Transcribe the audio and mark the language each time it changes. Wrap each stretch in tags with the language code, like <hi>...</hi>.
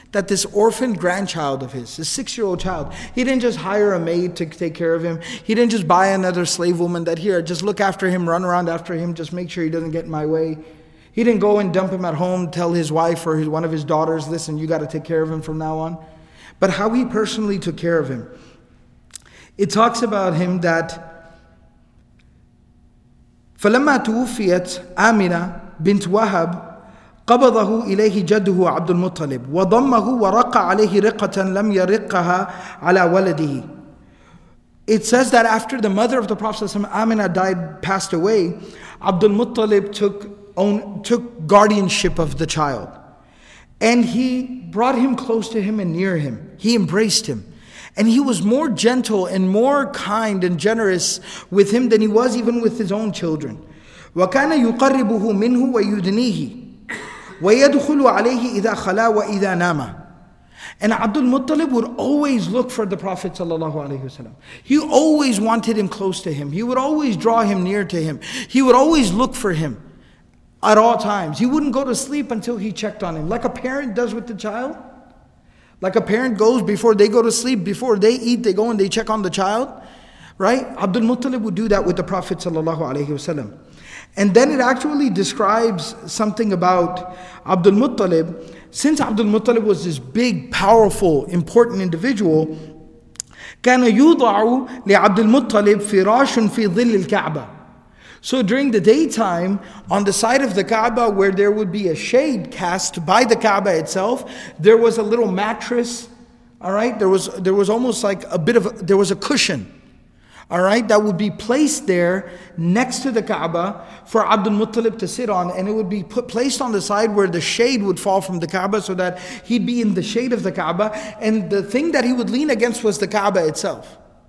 <en>That this orphaned grandchild of his, this six-year-old child, he didn't just hire a maid to take care of him. He didn't just buy another slave woman that, here, just look after him, run around after him, just make sure he doesn't get in my way. He didn't go and dump him at home, tell his wife or one of his daughters, listen, you got to take care of him from now on. But how he personally took care of him. It talks about him that,</en> <ar>فَلَمَّا تُوفِيَتْ آمِنَا بِنْتْ وَهَبْ قَبَضَهُ إِلَيْهِ جَدُّهُ عَبْدُ الْمُطَّلِبِ وَضَمَّهُ وَرَقَّ عَلَيْهِ رِقَّةً لَمْ يَرِقَّهَا عَلَى وَلَدِهِ.</ar> <en>It says that after the mother of the Prophet ﷺ, Amina, died, passed away, Abdul Muttalib took guardianship of the child. And he brought him close to him and near him. He embraced him. And he was more gentle and more kind and generous with him than he was even with his own children.</en> <ar>وَكَانَ يُقَرِّبُهُ مِنْهُ وَيُدْنِيهِ وَيَدْخُلُ عَلَيْهِ إِذَا خَلَى وَإِذَا نَامَ.</ar> <en>And Abdul Muttalib would always look for the Prophet ﷺ. He always wanted him close to him. He would always draw him near to him. He would always look for him at all times. He wouldn't go to sleep until he checked on him. Like a parent does with the child. Like a parent goes before they go to sleep, before they eat, they go and they check on the child. Right? Abdul Muttalib would do that with the Prophet ﷺ. And then it actually describes something about Abdul Muttalib. Since Abdul Muttalib was this big, powerful, important individual,</en> <ar>كان يوضع لعبد المطلب فراش في ظل الكعبة.</ar> <en>So during the daytime, on the side of the Kaaba, where there would be a shade cast by the Kaaba itself, there was a little mattress. All right, there was almost like a bit of a, there was a cushion. All right, that would be placed there next to the Kaaba for Abdul Muttalib to sit on, and it would be put placed on the side where the shade would fall from the Kaaba, so that he'd be in the shade of the Kaaba, and the thing that he would lean against was the Kaaba itself.</en>